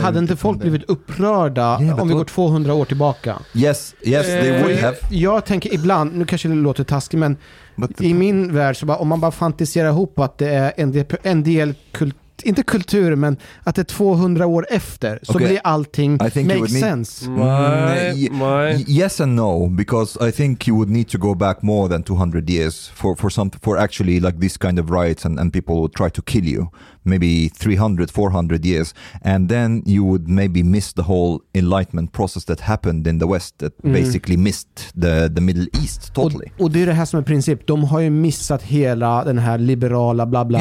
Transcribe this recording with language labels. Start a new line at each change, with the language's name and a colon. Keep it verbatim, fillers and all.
Swedish: Alltså hade inte folk blivit upprörda yeah, om vi går tvåhundra år tillbaka?
English: Yes, yes, they would have.
Swedish: Jag tänker ibland, nu kanske det låter taskigt, men but i min värld så bara, om man bara fantiserar ihop att det är en del, en del kult, inte kultur, men att det är tvåhundra år efter så okay. blir allting
English: makes sense. Need... My, my. Yes and no, because I think you would need to go back more than two hundred years for for some for actually like this kind of riots and and people would try to kill you. Maybe three hundred, four hundred years, and then you would maybe miss the whole enlightenment process that happened in the West that mm. basically missed the, the Middle East totally.
Swedish: Och, och det är det här som är princip. De har ju missat hela den här liberala bla bla.